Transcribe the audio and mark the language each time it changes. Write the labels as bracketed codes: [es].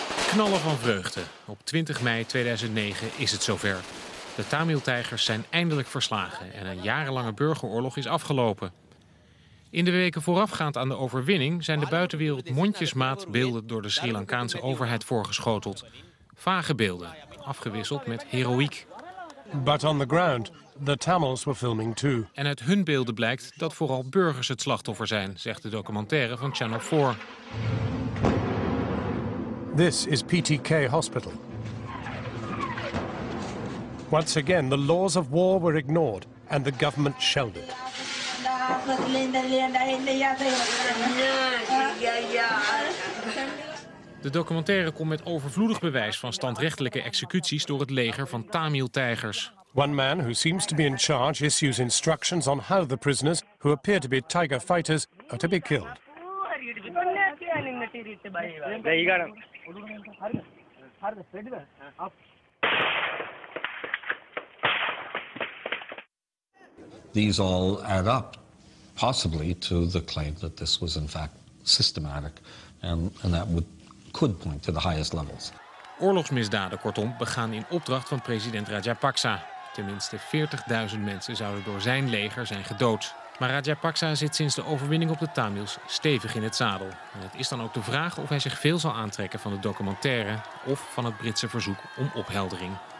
[nl] Knallen van vreugde. Op 20 mei 2009 is het zover. De Tamil-tijgers zijn eindelijk verslagen en een jarenlange burgeroorlog is afgelopen. In de weken voorafgaand aan de overwinning zijn de buitenwereld mondjesmaat beelden door de Sri Lankaanse overheid voorgeschoteld. Vage beelden, afgewisseld met heroïek. [en] But on the ground, the Tamils were filming too. [nl] En uit hun beelden blijkt dat vooral burgers het slachtoffer zijn, zegt de documentaire van Channel 4. [en] This is PTK Hospital. Once again, the laws of war were ignored and the government shelled it. [nl] De documentaire komt met overvloedig bewijs van standrechtelijke executies door het leger van Tamil-tijgers. [en] One man who seems to be in charge issues instructions on how the prisoners, who appear to be tiger fighters, are to be killed. These all add up, possibly, to the claim that this was in fact systematic, and that could point to the highest levels. [nl] Oorlogsmisdaden, kortom, begaan in opdracht van president Rajapaksa. Tenminste 40.000 mensen zouden door zijn leger zijn gedood. Maar Rajapaksa zit sinds de overwinning op de Tamils stevig in het zadel. En het is dan ook de vraag of hij zich veel zal aantrekken van de documentaire of van het Britse verzoek om opheldering.